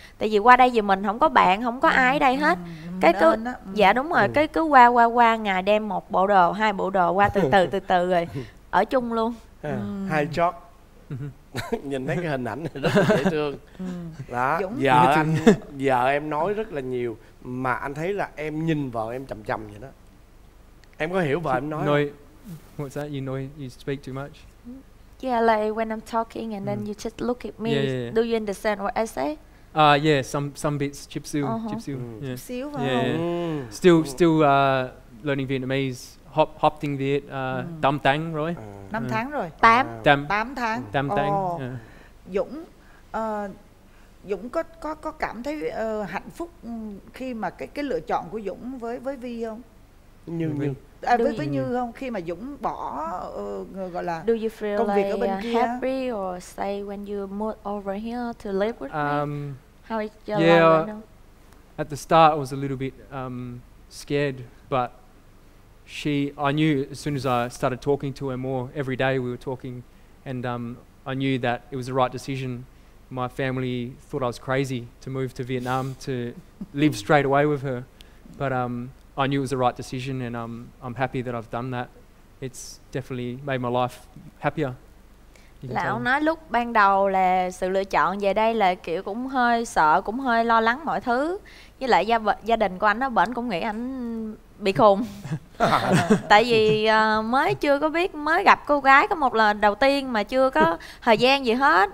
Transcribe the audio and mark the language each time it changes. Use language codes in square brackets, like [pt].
[vi] Tại vì qua đây vì mình không có bạn, không có ai ở đây hết. Cái cứ dạ đúng rồi, cái cứ qua ngày đem một bộ đồ, hai bộ đồ qua từ từ rồi ở chung luôn. Hai chót. Nhìn thấy cái hình ảnh này rất là dễ thương. Đó, vợ em nói rất là nhiều mà anh thấy là em nhìn vợ em chằm chằm vậy đó. Em có hiểu vợ em nói không? [en] What's that? You know you speak too much. Yeah, like when I'm talking and then you just look at me. Yeah. Do you understand what I say? Yeah, some bits chipsu, chipsu. Chipsu. Still learning Vietnamese. [vi] Hop tiếng Việt, tám tháng rồi. Năm tháng rồi. Tám tháng. Tám tháng. Dũng, Dũng có cảm thấy hạnh phúc khi mà cái lựa chọn của Dũng với Vi không? Như không, khi mà Dũng bỏ gọi là [en] do you feel [vi] công việc [en] like [vi] ở bên kia. [en] Happy or stay when you move over here to live with me? How is your life right now? At the start, I was a little bit scared, but I knew as soon as I started talking to her more, every day we were talking, and I knew that it was the right decision. My family thought I was crazy to move to Vietnam to live straight away with her, but I knew it was the right decision, and I'm happy that I've done that. It's definitely made my life happier. [vi] Là ông nói lúc ban đầu là sự lựa chọn về đây là kiểu cũng hơi sợ, cũng hơi lo lắng mọi thứ. Với lại gia đình của anh đó, bển cũng nghĩ anh bị khùng. Tại vì mới chưa có biết, mới gặp cô gái có một lần đầu tiên mà chưa có thời gian gì hết.